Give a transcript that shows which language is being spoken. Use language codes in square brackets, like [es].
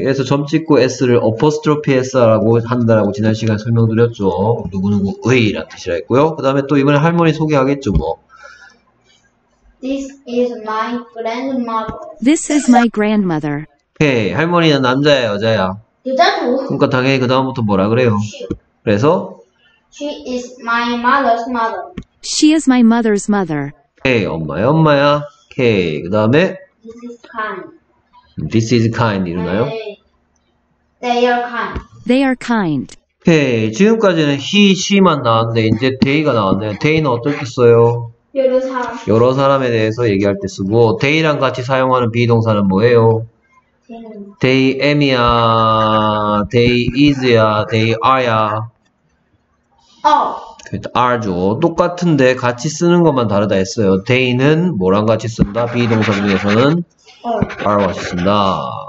[ko] 그래서 점 찍고 S를 어퍼스트로피 S라고 한다라고 지난 시간에 설명드렸죠. 누구누구의라는 뜻이라 했고요. 그 다음에 또 이번에 할머니 소개하겠죠, 뭐. [en] This is my grandmother. This is my grandmother. [ko] 오케이. 할머니는 남자야, 여자야? 여자도. 그러니까 당연히 그 다음부터 뭐라 그래요? [en] She. [ko] 그래서? [en] She is my mother's mother. She is my mother's mother. [ko] 오케이. 엄마야, 엄마야. 오케이. 그 다음에? [en] This is kind. This is kind [ko] 이러나요? [en] They are kind. They are kind. [ko] 오케이. 지금까지는 he, she만 나왔는데 이제 they가 나왔네요. they는 어떨 때 써요? 여러 사람. 여러 사람에 대해서 얘기할 때 쓰고 they랑 같이 사용하는 비동사는 뭐예요? they am이야, they is야, they are야. 알죠. 똑같은데 같이 쓰는 것만 다르다 했어요. they는 뭐랑 같이 쓴다? 비동사 중에서는 바로 왔습니다.